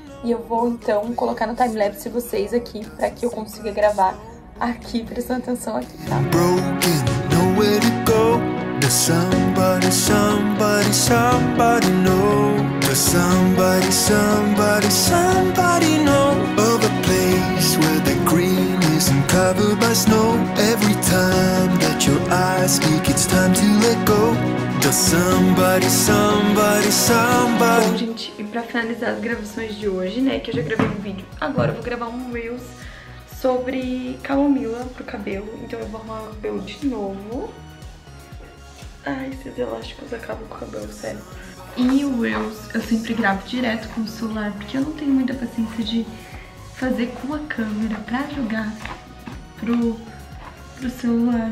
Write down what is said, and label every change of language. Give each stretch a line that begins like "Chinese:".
Portuguese: E eu vou, então, colocar no timelapse vocês aqui pra que eu consiga gravar. Aqui, prestando atenção aqui, tá?
English: Broken, nowhere to go. Does somebody, somebody, somebody know? Does somebody, somebody, somebody know? Of a place where the green isn't covered by snow. Every time that your eyes speak, it's time to let go. Does somebody, somebody, somebody.
Portuguese: Bom, gente, e pra finalizar as gravações de hoje, né? Que eu já gravei um vídeo, agora eu vou gravar um Reels sobre camomila pro cabelo. Então eu vou arrumar o cabelo de novo. Ai, esses elásticos acabam com o cabelo, sério. E o Reels eu sempre gravo direto com o celular, porque eu não tenho muita paciência de fazer com a câmera pra jogar pro celular.